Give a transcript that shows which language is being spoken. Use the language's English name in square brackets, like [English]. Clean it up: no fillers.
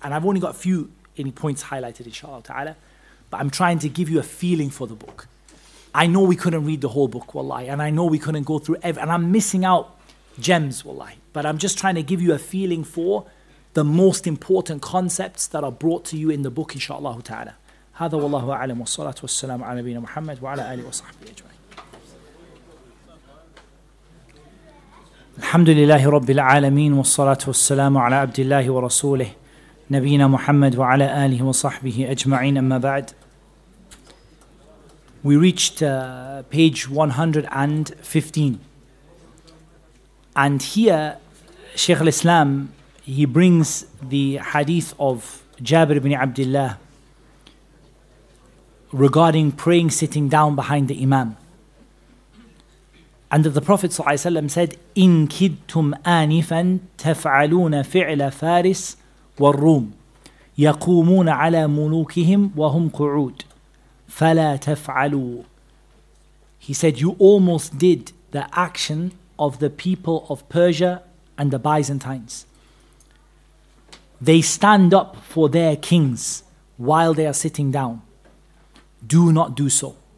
[English] And I've only got a few, any points highlighted, inshallah ta'ala. But I'm trying to give you a feeling for the book. I know we couldn't read the whole book, wallahi. And I know we couldn't go through every, and I'm missing out gems, wallahi. But I'm just trying to give you a feeling for the most important concepts that are brought to you in the book, inshallah ta'ala. [Arabic] هذا والله أعلم والصلاة والسلام على نبينا محمد وعلى آله وصحبه أجمعين. الحمد لله رب العالمين والصلاة والسلام على عبد الله ورسوله نبينا محمد وعلى آله وصحبه أجمعين. أما بعد, [English] we reached page 115, and here Sheikh al-Islam, he brings the hadith of Jabir ibn Abdullah regarding praying sitting down behind the imam. And the Prophet ﷺ said, [Arabic] إِن كِدْتُمْ آنِفًا تَفْعَلُونَ فِعْلَ فَارِسِ وَالرُّومِ يَقُومُونَ عَلَى مُلُوكِهِمْ وَهُمْ قُعُودٍ فَلَا تَفْعَلُوا. [English] He said, you almost did the action of the people of Persia and the Byzantines. They stand up for their kings while they are sitting down. Do not do so.